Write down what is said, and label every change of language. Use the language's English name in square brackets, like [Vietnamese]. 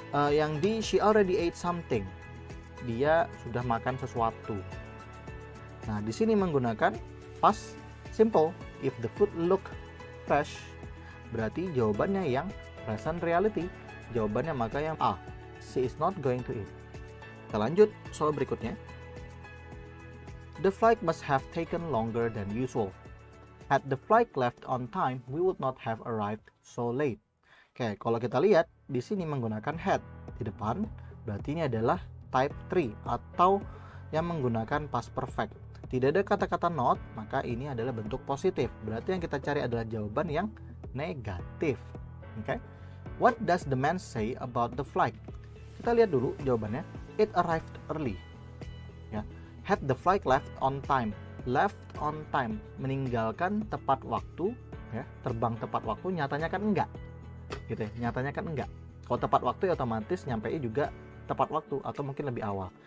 [Indonesian] Yang di [English] she already ate something, [Indonesian] dia sudah makan sesuatu. Nah di sini menggunakan past simple, [English] if the food look fresh, [Indonesian] berarti jawabannya yang present reality, jawabannya maka yang A, she is not going to eat. Kita lanjut soal berikutnya. [English] The flight must have taken longer than usual. Had the flight left on time, we would not have arrived so late. [Indonesian] Oke, kalau kita lihat, di sini menggunakan had di depan, berarti ini adalah type 3 atau yang menggunakan past perfect. Tidak ada kata-kata not, maka ini adalah bentuk positif. Berarti yang kita cari adalah jawaban yang negatif. [English] Oke, what does the man say about the flight? [Indonesian] Kita lihat dulu jawabannya. [English] It arrived early. Ya. Had the flight left on time. Left on time, [Indonesian] meninggalkan tepat waktu, ya, terbang tepat waktu, nyatanya kan enggak. Gitu ya, nyatanya kan enggak. Kalau tepat waktu ya otomatis nyampe juga tepat waktu atau mungkin lebih awal.